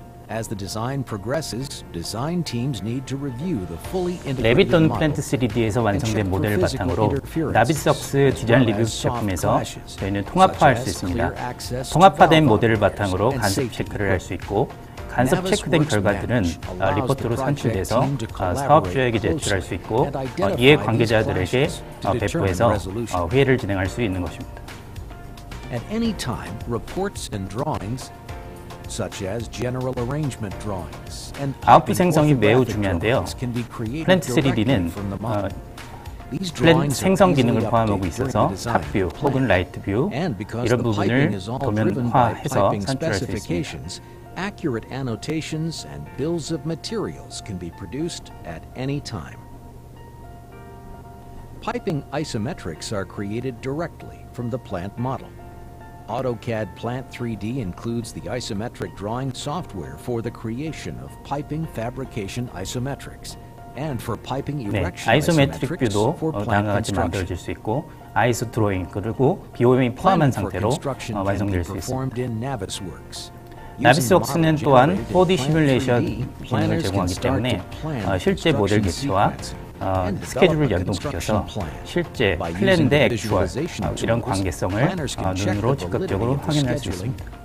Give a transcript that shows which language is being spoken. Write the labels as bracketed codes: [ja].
[en] As the design progresses, design teams need to review the fully integrated model. [ko] 레빗 플랜트 3D에서 완성된 모델을 바탕으로 나비스웍스 디자인 리뷰 작품에서 저희는 통합화할 수 있습니다. 통합화된 모델을 바탕으로 간섭 체크를 할 수 있고 간섭 체크된 결과들은 리포트로 산출돼서 사업주에게 제출할 수 있고 이에 관계자들에게 배포해서 회의를 진행할 수 있는 것입니다. [en] At any time, reports and drawings such as general arrangement drawings and [ko] 아웃풋 생성이 매우 중요한데요. 플랜트 3D는 플랜트 생성 기능을 포함하고 있어서 탑뷰 혹은 라이트 뷰 이런 부분을 도면화해서 산출할 수 있습니다. [en] Accurate annotations and bills of materials can be produced at any time. Piping isometrics are created directly from the plant model. AutoCAD Plant 3D includes the isometric drawing software for the creation of piping fabrication isometrics and for piping erection isometrics. [ko] 네, 아이소메트릭 뷰도 다양하게 만들어질 수 있고 아이소 드로잉 그리고 BOM이 포함한 상태로 완성될 수 있습니다. [en] Navisworks. [ko] Navisworks는 또한 4D 시뮬레이션 기능을 제공하기 때문에 실제 모델 객체와 스케줄을 연동시켜서 실제 플랜드 액추얼 이런 관계성을 눈으로 직접적으로 확인할 수 있습니다.